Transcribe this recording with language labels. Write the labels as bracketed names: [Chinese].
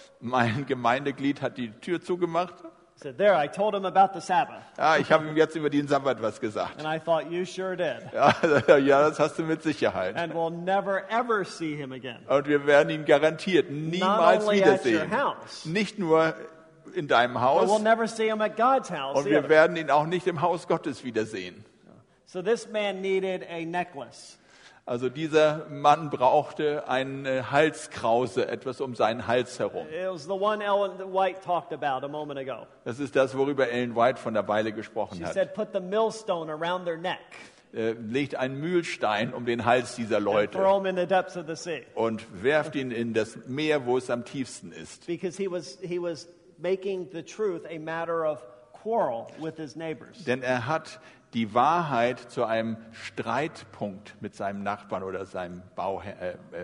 [German] Mein Gemeindeglied hat die Tür zugemacht. [English] He said, "There, I told him about the Sabbath." [German] Ich habe ihm jetzt über den Sabbat was gesagt. [English] And I thought, "You sure did." [German] Ja, das hast du mit Sicherheit. [English] And we'll never ever see him again. [German] Und wir werden ihn garantiert niemals wiedersehen. [English] Not only at your house. [German] Nicht nur in deinem Haus. [English] But we'll never see him at God's house. [German] Und wir werden ihn auch nicht im Haus Gottes wiedersehen. [English] So this man needed a necklace. [German] Also dieser Mann brauchte eine Halskrause, etwas um seinen Hals herum. [English] It was the one Ellen White talked about a moment ago. [German] Das ist das, worüber Ellen White von der Weile gesprochen hat. [English] She said, put the millstone around their neck. [German] Legt einen Mühlstein um den Hals dieser Leute. [English] And throw him in the depths of the sea. [German] Und werft ihn in das Meer, wo es am tiefsten ist. [English] Because he was making the truth a matter of quarrel with his neighbors. [German] Denn er hat die Wahrheit zu einem Streitpunkt mit seinem Nachbarn oder seinem Bauunternehmen.